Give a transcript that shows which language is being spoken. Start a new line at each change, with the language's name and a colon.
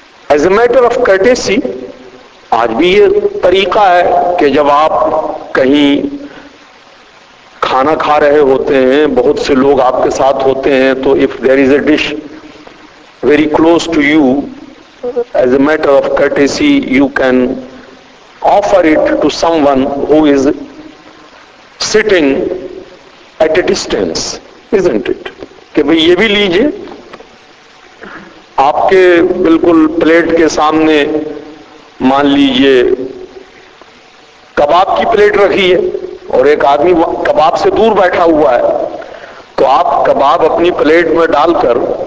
English: as a matter of courtesy,
Hindi: आज भी ये तरीका है कि जब आप कहीं खाना खा रहे होते हैं, बहुत से लोग आपके साथ होते हैं, तो
English: If there is a dish very close to you, as a matter of courtesy, you can offer it to someone who is sitting at a distance, isn't it?
Hindi: कि भाई ये भी लीजिए, आपके बिल्कुल प्लेट के सामने मान लीजिए कबाब की प्लेट रखी है और एक आदमी कबाब से दूर बैठा हुआ है, तो आप कबाब अपनी प्लेट में डालकर